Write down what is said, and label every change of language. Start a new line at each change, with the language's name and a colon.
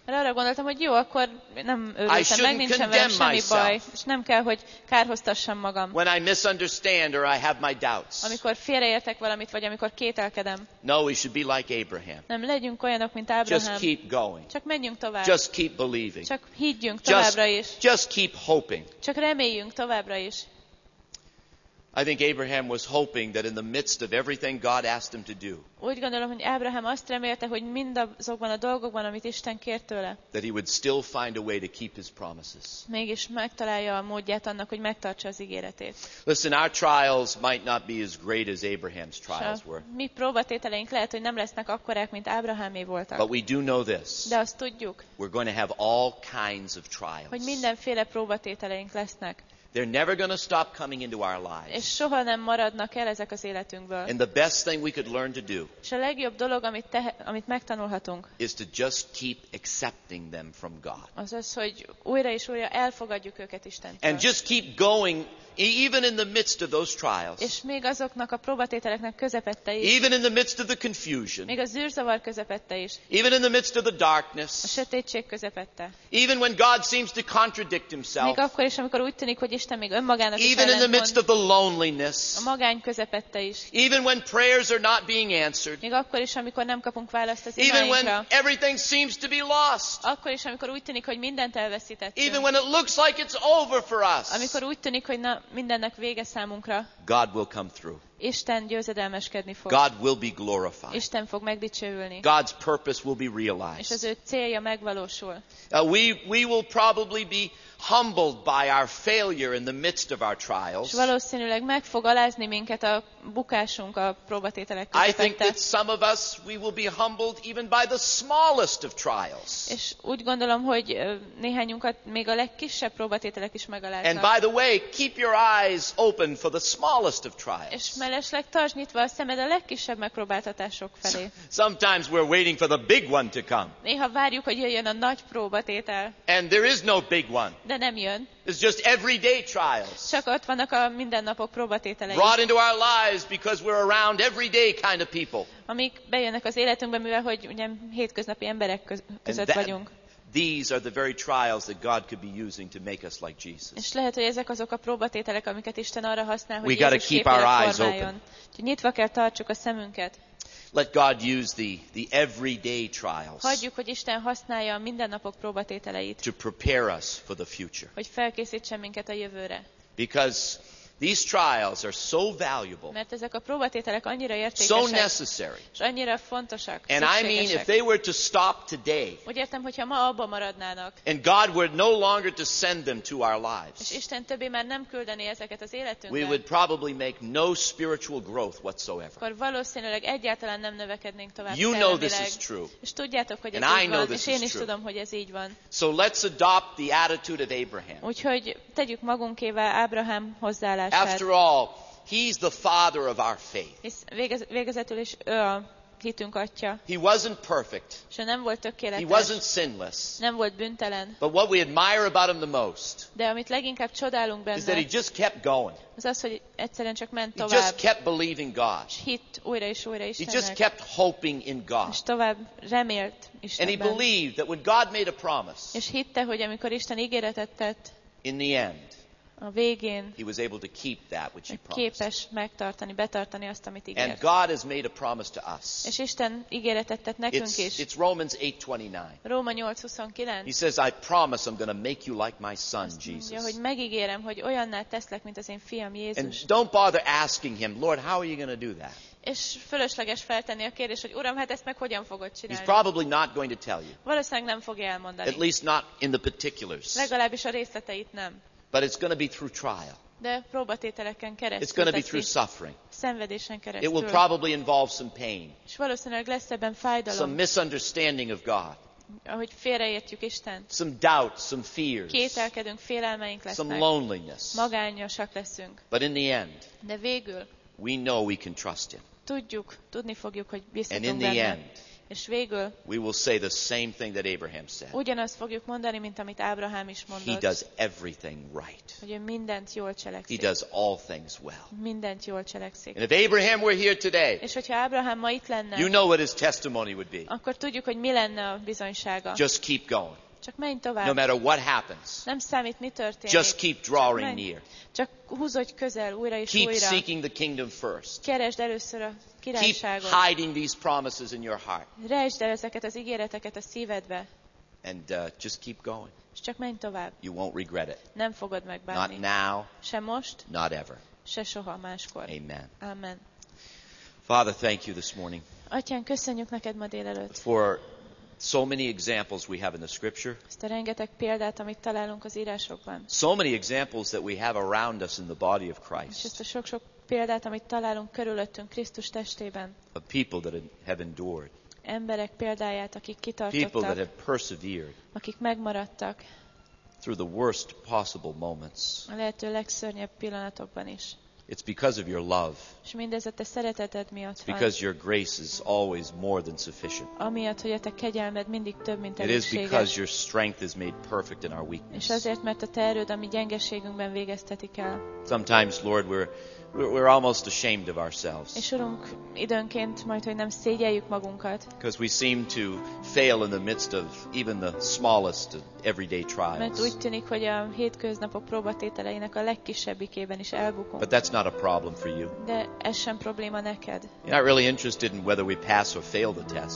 Hungarian: Mert arra gondoltam, hogy jó, akkor nem őrültem meg, nincsen velem semmi baj, és nem kell, hogy kárhoztassam magam.
English: When I misunderstand or I have my doubts.
Hungarian: Amikor félreértek valamit, vagy amikor kételkedem.
English: No, we should be like Abraham.
Hungarian: Nem legyünk olyanok, mint Ábrahám.
English: Just keep going.
Hungarian: Csak menjünk tovább.
English: Just keep believing.
Hungarian: Csak higgyünk továbbra is.
English: Just keep hoping.
Hungarian: Csak reméljünk továbbra is.
English: I think Abraham was hoping that in the midst of everything God asked him to do.
Hungarian: Úgy gondolom, hogy Ábrahám azt remélte, hogy mindazokban a dolgokban, amit Isten kért tőle.
English: That he would still find a way to keep his promises.
Hungarian: Mégis megtalálja a módját annak, hogy megtartsa az ígéretét.
English: Listen, our trials might not be as great as Abraham's trials were.
Hungarian: Mi próbatételeink lehet, hogy nem lesznek akkorák, mint Ábrahámé voltak.
English: But we do know this.
Hungarian: De azt tudjuk.
English: We're going to have all kinds of trials.
Hungarian: Hogy mindenféle próbatételeink lesznek.
English: They're never going to stop coming into our lives.
Hungarian: És soha nem maradnak el ezek az életünkből.
English: And the best thing we could learn to do.
Hungarian: És a legjobb dolog, amit megtanulhatunk.
English: Is to just keep accepting them from God.
Hungarian: Azaz, hogy újra és újra elfogadjuk őket Istentől.
English: And just keep going even in the midst of those trials.
Hungarian: És még azoknak a próbatételeknek közepette is.
English: Even in the midst of the confusion.
Hungarian: Még a zűrzavar közepette is.
English: Even in the midst of the darkness.
Hungarian: A sötétség közepette.
English: Even when God seems to contradict himself.
Hungarian: Még akkor is, amikor úgy tűnik, hogy Isten még önmagának is ellentmond.
English: Even in the midst of the loneliness.
Hungarian: A magány közepette is.
English: Even when prayers are not being answered.
Hungarian: Még akkor is, amikor nem kapunk választ az imáinkra.
English: Even when everything seems to be lost.
Hungarian: Akkor is, amikor úgy tűnik, hogy mindent elveszítettünk.
English: Even when it looks like it's over for us.
Hungarian: Amikor úgy tűnik, hogy mindennek vége számunkra.
English: God will come through.
Hungarian: Isten győzedelmeskedni fog.
English: God will be glorified.
Hungarian: Isten fog megdicsőülni.
English: God's purpose will be realized.
Hungarian: És az ő célja megvalósul.
English: We will probably be humbled by our failure in the midst of our trials.
Hungarian: És valószínűleg meg fog alázni minket a bukásunk a próbatételek közepette.
English: I think that some of us we will be humbled even by the smallest of trials.
Hungarian: És úgy gondolom, hogy néhányunkat még a legkisebb próbatételek is megaláznak.
English: And by the way, keep your eyes open for the smallest of trials.
Hungarian: Mellesleg tartsd nyitva a szemed a legkisebb megpróbáltatások felé.
English: Sometimes we're waiting for the big one to come.
Hungarian: Néha várjuk, hogy jöjjön a nagy próbatétel.
English: And there is no big one.
Hungarian: De nem jön.
English: It's just everyday trials.
Hungarian: Csak ott vannak a mindennapok próbatételei.
English: Brought into our lives because we're around everyday kind of people.
Hungarian: Amik bejönnek az életünkbe, mivel hogy ugye hétköznapi emberek között vagyunk.
English: These are the very trials that God could be using to make us like Jesus.
Hungarian: És lehet, hogy ezek azok a próbatételek, amiket Isten arra használ, hogy
English: we gotta keep our eyes open.
Hungarian: Nyitva kell tartsuk a szemünket.
English: Let God use the everyday trials.
Hungarian: Hagyjuk, hogy Isten használja a mindennapok próbatételeit.
English: To prepare us for the future.
Hungarian: Hogy felkészítsen minket a jövőre.
English: Because these trials are so valuable.
Hungarian: Mert ezek a próbatételek annyira értékesek.
English: So necessary.
Hungarian: És annyira fontosak.
English: And I mean, if they were to stop today.
Hungarian: Úgy értem, hogyha ma abba maradnának.
English: And God were no longer to send them to our lives.
Hungarian: És Isten többé már nem küldeni ezeket az életünkbe.
English: We would probably make no spiritual growth whatsoever.
Hungarian: Akkor valószínűleg egyáltalán nem növekednénk tovább.
English: You know this is true.
Hungarian: És tudjátok, hogy ez
English: and
Hungarian: így
English: know
Hungarian: van.
English: This
Hungarian: és én
English: is true.
Hungarian: Tudom, hogy ez így van.
English: So let's adopt the attitude of Abraham.
Hungarian: Úgyhogy tegyük magunkével Ábrahám hozzá.
English: After all, he's the father of our faith.
Hungarian: Végezetül is ő a hitünk atya.
English: He wasn't perfect.
Hungarian: És nem volt tökéletes.
English: He wasn't sinless.
Hungarian: Nem volt bűntelen.
English: But what we admire about him the most.
Hungarian: De amit leginkább csodálunk benne.
English: Is that he just kept going.
Hungarian: Az az, hogy egyszerűen csak ment tovább.
English: He just kept believing God.
Hungarian: És hitt újra és újra Istennek.
English: He just kept hoping in God.
Hungarian: És tovább remélt Istenben.
English: And he believed that when God made a promise.
Hungarian: És hitte, hogy amikor Isten ígéretet tett.
English: In the end.
Hungarian: a végén
English: he was able to keep that which he promised.
Hungarian: Képes megtartani, betartani azt, amit ígért.
English: And God has made a promise to us.
Hungarian: És Isten ígéretet tett nekünk is.
English: It's Romans 8:29.
Hungarian: Róma 8:29.
English: He says, I promise I'm going to make you like my son, Jesus.
Hungarian: Mondja, hogy megígérem, hogy olyanná teszlek, mint az én fiam Jézus.
English: And don't bother asking him, Lord, how are you going to do that?
Hungarian: És fölösleges feltenni a kérdést, hogy Uram, hát ezt meg hogyan fogod csinálni?
English: He's probably not going to tell you.
Hungarian: Valószínűleg nem fogja elmondani.
English: At least not in the particulars.
Hungarian: Legalábbis a részleteit nem.
English: But it's going to be through trial.
Hungarian: De próbatételeken keresztül.
English: It's going to be through suffering.
Hungarian: Szenvedésen keresztül.
English: It will probably involve some pain.
Hungarian: És valószínűleg lesz ebben fájdalom.
English: Some misunderstanding of God.
Hungarian: Ahogy félreértjük Istent.
English: Some doubts, some fears.
Hungarian: Kételkedünk, félelmeink lesznek.
English: Some loneliness.
Hungarian: Magányosak leszünk.
English: But in the end.
Hungarian: De végül.
English: We know we can trust him.
Hungarian: Tudjuk, tudni fogjuk, hogy bízhatunk benne.
English: And in the end.
Hungarian: És végül.
English: We will say the same thing that Abraham said.
Hungarian: Ugyanazt fogjuk mondani, mint amit Ábrahám is mondott.
English: He does everything right.
Hungarian: Hogy ő mindent jól cselekszik.
English: He does all things well.
Hungarian: Mindent jól cselekszik.
English: And if Abraham were here today.
Hungarian: És hogyha Ábrahám ma itt lenne.
English: You know what his testimony would be.
Hungarian: Akkor tudjuk, hogy mi lenne a bizonysága.
English: Just keep going.
Hungarian: Csak menj tovább.
English: No matter what happens.
Hungarian: Nem számít, mi történik.
English: Just keep drawing near.
Hungarian: Csak húzodj közel újra és
English: keep
Hungarian: újra.
English: Keep seeking the kingdom first.
Hungarian: Keresd először a királyságot.
English: Keep hiding these promises in your heart.
Hungarian: Rejtsd el ezeket az ígéreteket a szívedbe.
English: And just keep going.
Hungarian: És csak menj tovább.
English: You won't regret it.
Hungarian: Nem fogod megbánni.
English: Not now.
Hungarian: Se most.
English: Not ever.
Hungarian: Se soha máskor.
English: Amen.
Hungarian: Amen.
English: Father, thank you this morning.
Hungarian: Atyán, köszönjük neked ma délelőtt.
English: For so many examples we have in the scripture.
Hungarian: Ezt a rengeteg példát, amit találunk az írásokban.
English: So many examples that we have around us in the body of Christ.
Hungarian: És ezt a sok-sok példát, amit találunk körülöttünk Krisztus testében.
English: Of people that have endured.
Hungarian: Emberek példáját, akik kitartottak.
English: People that have persevered.
Hungarian: Akik megmaradtak.
English: Through the worst possible moments.
Hungarian: A lehető legszörnyebb pillanatokban is.
English: It's because of your love.
Hungarian: És mindez a te szereteted miatt van.
English: Because your grace is always more than sufficient.
Hungarian: Amiatt, hogy a te kegyelmed mindig több, mint elégséges.
English: It is because your strength is made perfect in our weakness.
Hungarian: És azért, mert a te erőd, ami gyengeségünkben végeztetik el.
English: Sometimes, Lord, we're almost ashamed of ourselves.
Hungarian: És Urunk, időnként majd, hogy nem szégyeljük magunkat.
English: Because we seem to fail in the midst of even the smallest everyday trials.
Hungarian: Mert úgy tűnik, hogy a hétköznapok próbatételeinek a legkisebbikében is elbukunk.
English: But that's not a problem for you.
Hungarian: De ez sem probléma neked.
English: You're not really interested in whether we pass or fail the test.